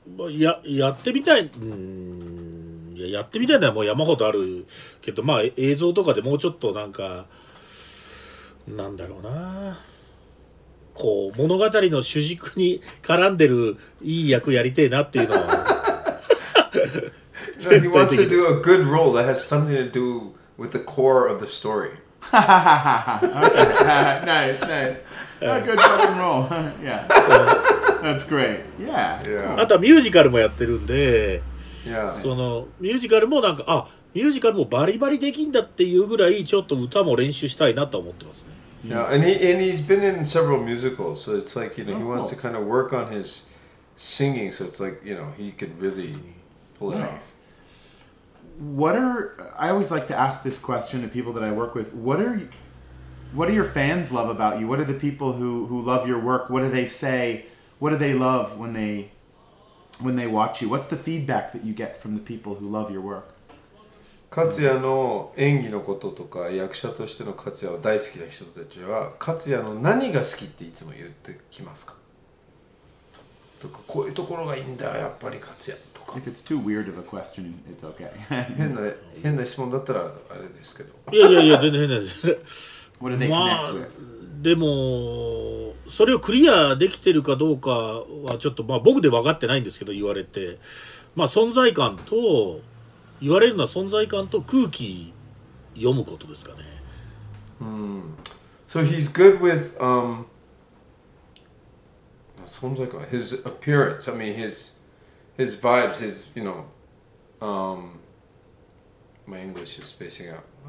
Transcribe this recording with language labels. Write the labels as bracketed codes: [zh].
[ja] やってみたい、やってみたいのはもう山ほどあるけど、まあ映像とかでもうちょっとなんか、なんだろうな、こう物語の主軸に絡んでるいい役やりてえなっていうのは。 [en] No, he wants to do a good role that has something to do with the core of the story. Nice, nice. A good rock and roll. Yeah. That's great. Yeah. Cool. [ja] あとミュージカルもやってるんで、 [en] yeah. [ja] そのミュージカルもなんか、あ、ミュージカルもバリバリできんだっていうぐらいちょっと歌も練習したいなと思ってますね。 [en] Yeah, and he's been in several musicals, so it's like, you know, he wants to kind of work on his singing, so it's like, you know, he can really pull it off. I always like to ask this question to people that I work with. What do your fans love about you? What are the people who love your work? What do they say? What do they love when they watch you? What's the feedback that you get from the people who love your work? [ja] 勝也の演技のこととか役者としての勝也を大好きな人たちは勝也の何が好きっていつも言ってきますか？とかこういうところがいいんだやっぱり勝也。 [en] If it's too weird of a question, it's okay. [ja] 変な質問だったらあれですけど。いやいやいや、全然変なんです。 [en] What do they connect with? [ja] でも、それをクリアできてるかどうかはちょっと、まあ、僕で分かってないんですけど、言われて。まあ、存在感と、言われるのは存在感と空気読むことですかね。 [en] So he's good with, 存在感、his appearance, I mean his vibes, his, you know, my English is spacing out.